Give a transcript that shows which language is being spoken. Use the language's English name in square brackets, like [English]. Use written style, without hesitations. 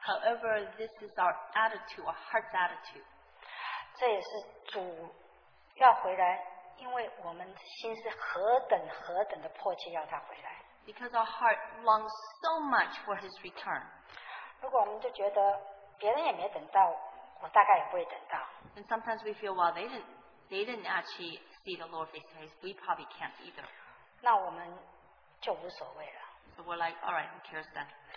[English] However, this is our attitude, our heart's attitude. [Chinese] 这也是主要回来，因为我们心是何等何等的迫切要他回来。 [English] Because our heart longs so much for his return. [Chinese] 如果我们就觉得别人也没等到，我大概也不会等到。 [English] And sometimes we feel while they didn't actually see the Lord face to face, we probably can't either. [Chinese] 那我们就无所谓了。 [English] So we're like, all right, who cares then?